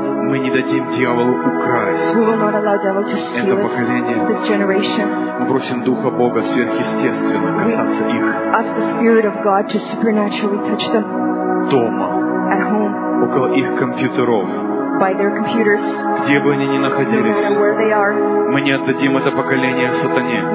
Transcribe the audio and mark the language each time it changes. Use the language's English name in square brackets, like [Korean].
[Russian] Мы не дадим дьяволу украсть. [English] We will not allow devil to steal [Russian] это поколение. [English] This generation. [Russian] Мы просим Духа Бога сверхъестественно касаться их. [English] We ask the Spirit of God to supernaturally touch them. [Russian] Дома. [English] At home. [Russian] Около их компьютеров. [English] by their computers. [Russian] Где бы они ни находились, мы не отдадим это поколение сатане.